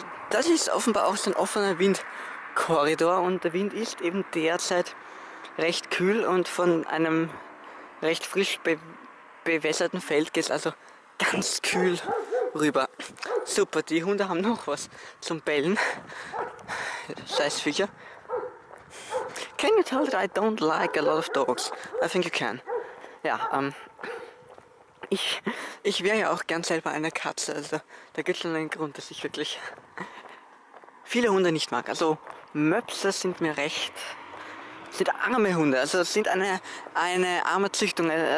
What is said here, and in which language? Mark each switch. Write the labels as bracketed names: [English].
[German] Das ist offenbar auch so ein offener Windkorridor und der Wind ist eben derzeit recht kühl und von einem recht frisch bewässerten Feld geht es also ganz kühl rüber. Super, die Hunde haben noch was zum Bellen. Scheiß Viecher. [English] Can you tell that I don't like a lot of dogs? I think you can. [German] Ja, ich wäre ja auch gern selber eine Katze, also da gibt es schon einen Grund, dass ich wirklich viele Hunde nicht mag. Also Möpse sind mir recht. Sind arme Hunde, also sind eine arme Züchtung.